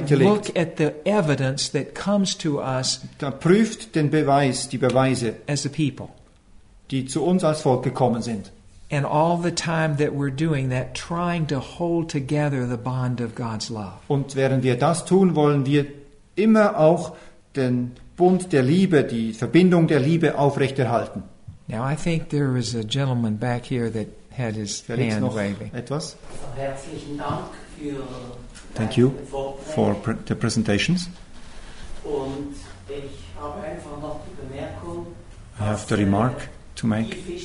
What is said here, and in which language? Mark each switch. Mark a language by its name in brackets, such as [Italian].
[English] look at the evidence that comes to us. [German] Da prüft den Beweis, die Beweise, [English] as a people, [German] die zu uns als Volk gekommen sind. [English] And all the time that we're doing that, trying to hold together the bond of God's love. [German] Und während wir das tun, wollen wir immer auch den Bund der Liebe, die Verbindung der Liebe aufrechterhalten. [English] Now I think there is a gentleman back here that had his [German] Felix [English] hand [German] noch [English] waving. [German] Etwas? Herzlichen Dank für [English] Thank you for the presentations. [German] Und ich habe einfach noch die Bemerkung, [English] I have the remark to make